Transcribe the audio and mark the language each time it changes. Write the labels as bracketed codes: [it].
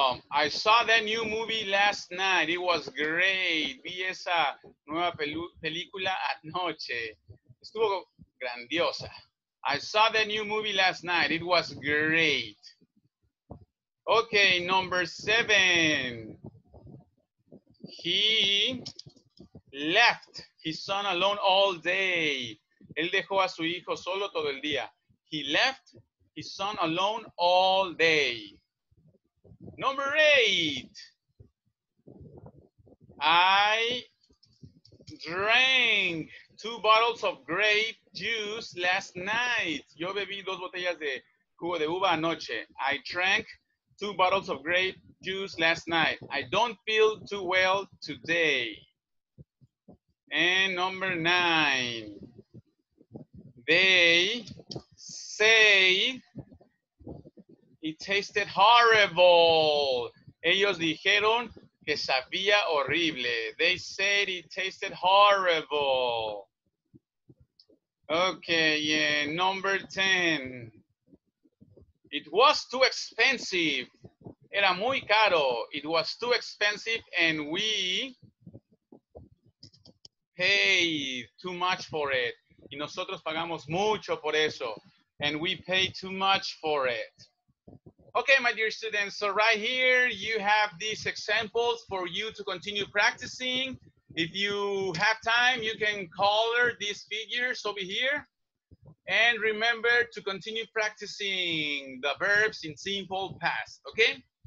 [en] I saw that new movie last night. It was great. [es] Vi esa nueva película anoche. Estuvo grandiosa. [en] I saw that new movie last night. It was great. Okay, number seven. He left his son alone all day. [es] Él dejó a su hijo solo todo el día. [en] He left his son alone all day. Number eight. I drank 2 bottles of grape juice last night. [es] Yo bebí 2 botellas de jugo de uva anoche. [en] I drank 2 bottles of grape juice last night. I don't feel too well today. And number nine. They say it tasted horrible. [es] Ellos dijeron que sabía horrible. [en] They said it tasted horrible. Okay, yeah. Number 10. It was too expensive. [es] Era muy caro. [en] It was too expensive and we paid too much for it. [es] Y nosotros pagamos mucho por eso. [en] And we paid too much for it. Okay, my dear students, so right here you have these examples for you to continue practicing If you have time, you can color these figures over here. And remember to continue practicing the verbs in simple past, okay?